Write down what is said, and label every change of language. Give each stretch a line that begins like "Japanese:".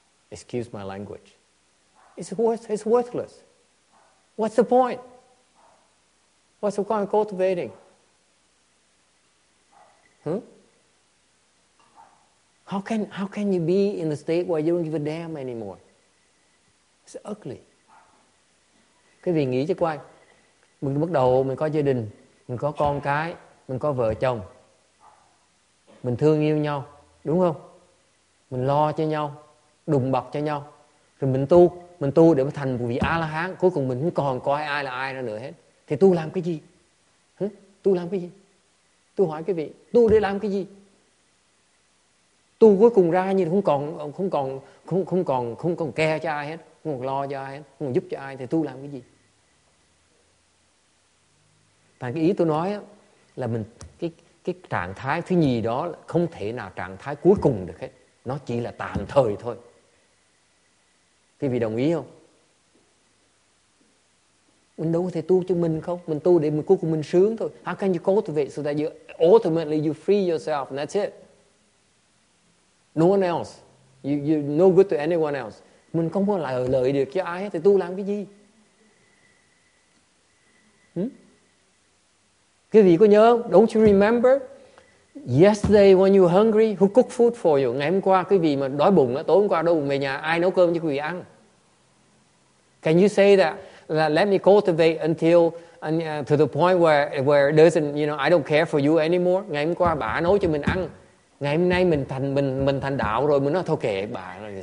English: Excuse my language. It's worthless. What's the point? What's the point of cultivating? How can you be in a state where you don't give a damn anymore? It's ugly.
Vietnamese: Quý vị nghĩ chứ quay. Mình bắt đầu mình có gia đình. Mình có con cái, mình có vợ chồng. Mình thương yêu nhau, đúng không? Mình lo cho nhau, đùm bọc cho nhau. Rồi mình tu để mà thành vị A-la-hán. Cuối cùng mình không còn coi ai là ai nữa hết. Thì tu làm cái gì? Tu làm cái gì? Tu hỏi quý vị, tu để làm cái gì? Tu cuối cùng ra như không còn ke cho ai hết, không còn lo cho ai hết, không còn giúp cho ai, thì tu làm cái gì? Và cái ý tôi nói là mình cái trạng thái thứ nhì đó không thể nào trạng thái cuối cùng được hết. Nó chỉ là tạm thời thôi. Quý vị đồng ý không? Mình đâu có thể tu cho mình không? Mình tu để mình cuối cùng mình sướng thôi.
English: How can you cultivate so that you ultimately you free yourself and that's it? No one else. You're no good to anyone else.
Vietnamese: Mình không có lợi được cho ai hết. Thì tu làm cái gì? Quý vị có nhớ,
English: don't you remember? Yesterday when you were hungry, who cooked food for you?
Vietnamese: Ngày hôm qua, quý vị mà đói bụng, tối hôm qua đói bụng về nhà, ai nấu cơm cho quý vị ăn?
English: Can you say that? Let me cultivate until, to the point where it doesn't, you know, I don't care for you anymore.
Vietnamese: Ngày hôm qua, bà nấu cho mình ăn. Ngày hôm nay, mình thành đạo rồi, mình nói, thôi kệ bà.